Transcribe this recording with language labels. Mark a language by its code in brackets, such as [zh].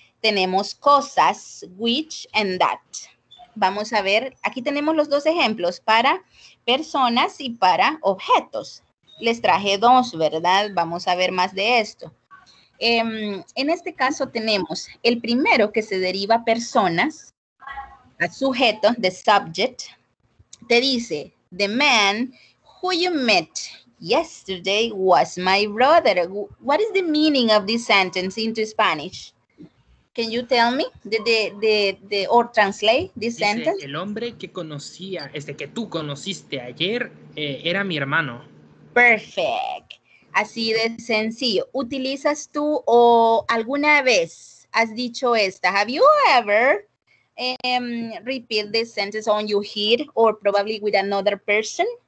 [es] Tenemos cosas, which and that. Vamos a ver, aquí tenemos los dos ejemplos para personas y para objetos. Les traje dos, ¿verdad? Vamos a ver más de esto. En este caso tenemos el primero que se deriva personas. [en] Sujeto, the subject, [es] te dice, [en] the man who you met yesterday was my brother. What is the meaning of this sentence into Spanish? Can you tell me the or translate this [es] dice, [en] sentence? [es] El hombre que conocía, este que tú conociste ayer, era mi hermano. Perfect. Así de sencillo. ¿Utilizas tú o alguna vez has dicho esta? [en] Have you ever... repeat this sentence on your head or probably with another person.